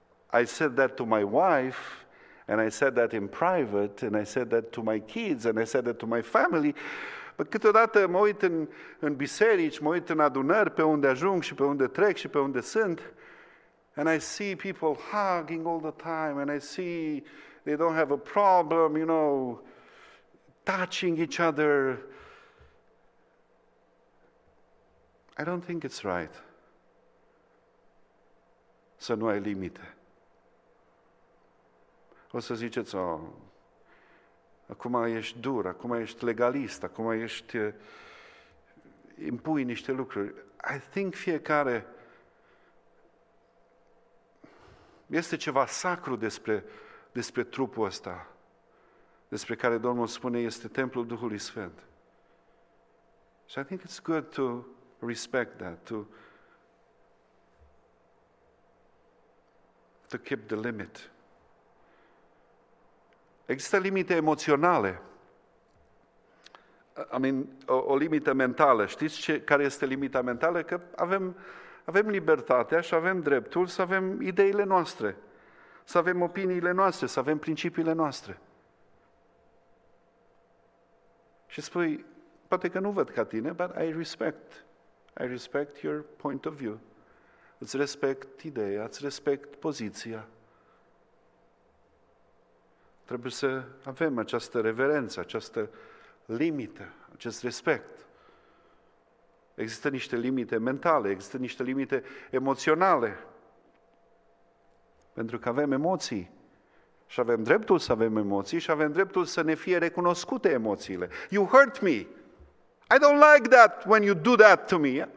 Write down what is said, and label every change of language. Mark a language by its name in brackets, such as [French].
[English] I said that to my wife, and I said that in private, and I said that to my kids, and I said that to my family. [Romanian] But câteodată mă uit în biserici, mă uit în adunări, pe unde ajung și pe unde trec și pe unde sunt, [English] and I see people hugging all the time, and I see they don't have a problem, you know, touching each other. I don't think it's right. [Romanian] Să nu ai limite. O să ziceți, oh, acum ești dur, acum ești legalist, acum ești, impui niște lucruri. [English] I think [Romanian] fiecare este ceva sacru despre trupul ăsta, despre care Domnul spune este templul Duhului Sfânt. [English] So I think it's good to respect that, to keep the limit. [Romanian] Există limite emoționale. [English] I mean, [Romanian] o limită mentală. Știți care este limita mentală? Că avem libertatea și avem dreptul să avem ideile noastre, să avem opiniile noastre, să avem principiile noastre. Și spui, poate că nu văd ca tine, [English] but I respect your point of view. [Romanian] Îți respect ideea, îți respect poziția. Trebuie să avem această reverență, această limită, acest respect. Există niște limite mentale, există niște limite emoționale. Pentru că avem emoții și avem dreptul să avem emoții și avem dreptul să ne fie recunoscute emoțiile. [English] You hurt me. I don't like that when you do that to me.